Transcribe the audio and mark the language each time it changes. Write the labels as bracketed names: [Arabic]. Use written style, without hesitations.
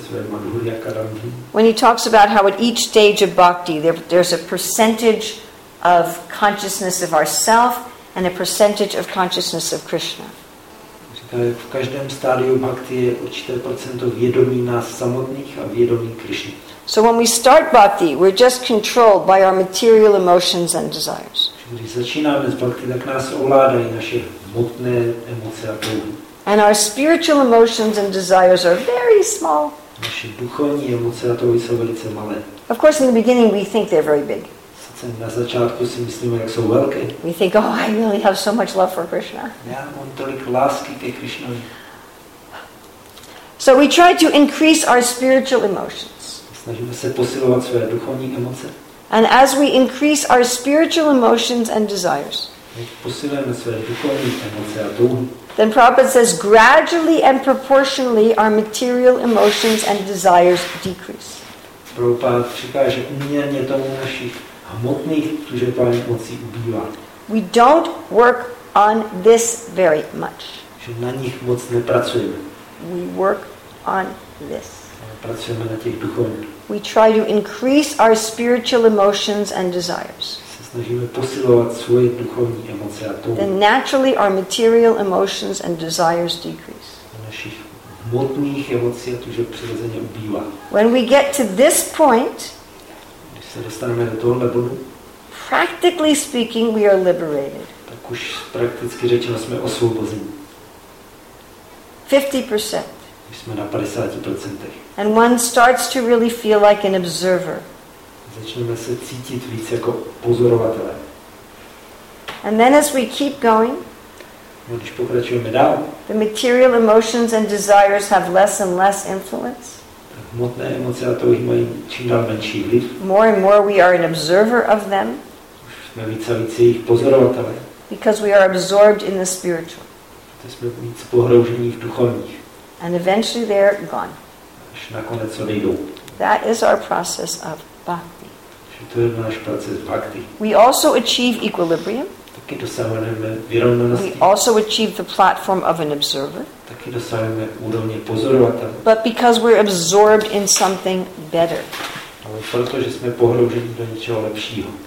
[English] When he talks about how at each stage of bhakti there's a percentage of consciousness of ourself and a percentage of consciousness of Krishna. [Czech] V každém stádiu bhakti je určité procento vědomí nás samotných a vědomí Krishny. [English] So when we start bhakti, we're just controlled by our material emotions and desires. [Czech] Když začínáme s bhakti, tak nás ovládají naše hmotné emoce a touhy. [English] And our spiritual emotions and desires are very small. [Czech] Naše duchovní emoce a touhy jsou velice malé. [English] Of course, in the beginning we think they're very big. [Czech] Na začátku si myslíme, jak jsou velké. [English] We think, oh, I really have so much love for Krishna. [Czech] Já mám tolik lásky ke Krishnovi. [English] So we try to increase our spiritual emotions. [Czech] Snažíme se posilovat své duchovní emoce. [English] And as we increase our spiritual emotions and desires, [Czech] posilujeme své duchovní emoce a touhy. [English] Then Prabhupada says, gradually and proportionally our material emotions and desires decrease. [Czech] Prabhupada říká, že uměrně tomu našich hmotných tužebních emocí ubývá. [English] We don't work on this very much. [Czech] Že na nich moc nepracujeme. [English] We work on this. [Czech] Pracujeme na těch duchovních. [English] We try to increase our spiritual emotions and desires. [Czech] Se snažíme posilovat svoje duchovní emoce a touhy. [English] Then naturally our material emotions and desires decrease. [Czech] A našich hmotných emocí a tužeb přirozeně ubývá. [English] When we get to this point, [Czech] dostaneme do tohohle bodu. [English] Practically speaking, we are liberated. [Czech] Tak už prakticky řečeno jsme osvobození. [English] 50%. [Czech] Už jsme na 50%. [English] And one starts to really feel like an observer. [Czech] Začneme se cítit víc jako pozorovatelé. [English] And then as we keep going, [Czech] když pokračujeme dál, [English] the material emotions and desires have less and less influence. [Czech] Hmotné emoce a touhy mají čím dál menší vliv. [English] More and more we are an observer of them. [Czech] Už jsme více a více jejich pozorovatelé. [English] Because we are absorbed in the spiritual. [Czech] Protože jsme víc pohroužení v duchovních. [English] And eventually they're gone. [Czech] až nakonec odejdou. [English] That is our process of bhakti. [Czech] To je náš proces bhakti. [English] We also achieve equilibrium. [Czech] Taky dosahujeme vyrovnanosti. [English] We also achieve the platform of an observer. [Czech] Taky dosahujeme úrovně pozorovatel. [English] But because we're absorbed in something better. [Czech] Ale protože jsme pohlouženi do něčeho lepšího.